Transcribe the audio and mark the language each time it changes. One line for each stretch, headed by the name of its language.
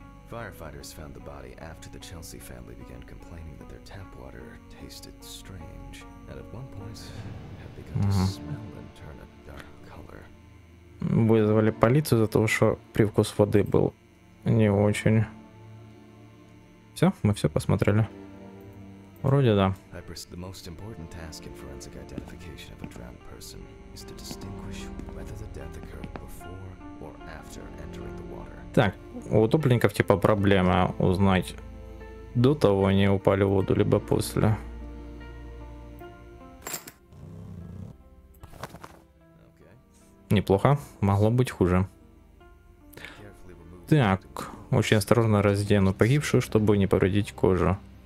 English: Firefighters found the body after the Chelsea family began complaining that their tap water tasted strange, and at one point had begun to smell and turn a dark color.
Russian: Вызвали полицию за то, что привкус воды был не очень. Все, мы все посмотрели. Вроде да.
English: The most important task in forensic identification of a drowned person is to distinguish whether the death occurred before or after entering the water.
Russian: Так, у утопленников типа проблема узнать, до того они упали в воду, либо после. Неплохо, могло быть хуже. Так, очень осторожно раздену погибшую, чтобы не повредить кожу.